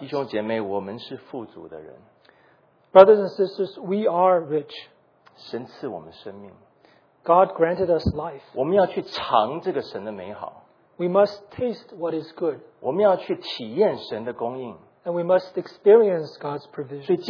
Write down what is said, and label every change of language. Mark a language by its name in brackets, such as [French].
[Chinese] 弟兄姐妹, 我们是富足的人。 [English] Brothers and sisters, we are rich. [Chinese] 神赐我们生命。 [English] God granted us life. [Chinese] 我们要去尝这个神的美好。 [English] We must taste what is good. [Chinese] 我们要去体验神的供应。 [English] And we must experience God's provision.